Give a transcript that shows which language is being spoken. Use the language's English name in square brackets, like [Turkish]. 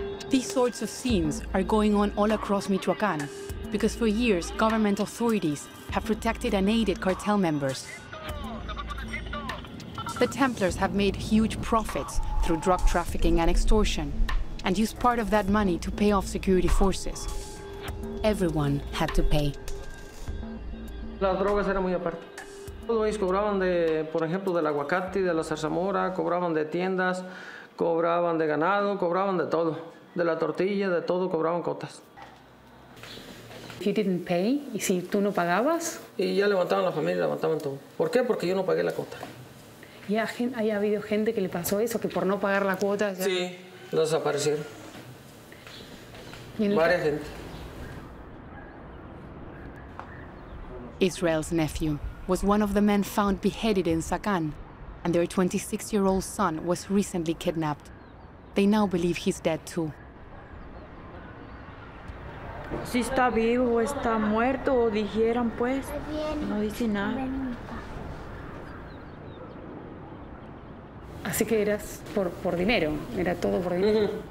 [English] These sorts of scenes are going on all across Michoacán, because for years, government authorities have protected and aided cartel members. The Templars have made huge profits through drug trafficking and extortion, and used part of that money to pay off security forces. Everyone had to pay. [Spanish] Las drogas eran muy aparte. Todos ellos cobraban de, por ejemplo, del aguacate, de la zarzamora, cobraban de tiendas, cobraban de ganado, cobraban de todo. De la tortilla, de todo, cobraban cotas. [English] If you didn't pay, [Spanish] y si tú no pagabas? Y ya levantaban la familia, levantaban todo. ¿Por qué? Porque yo no pagué la cuota. ¿Y ha habido gente que le pasó eso, que por no pagar la cuota? Ya... Sí, desaparecieron. Varia gente. [English] Israel's nephew was one of the men found beheaded in Sacan, and their 26-year-old son was recently kidnapped. They now believe he's dead too. [Spanish] Si está vivo o está muerto, o dijeran pues, no dice nada. Así que eras por dinero, era todo por dinero.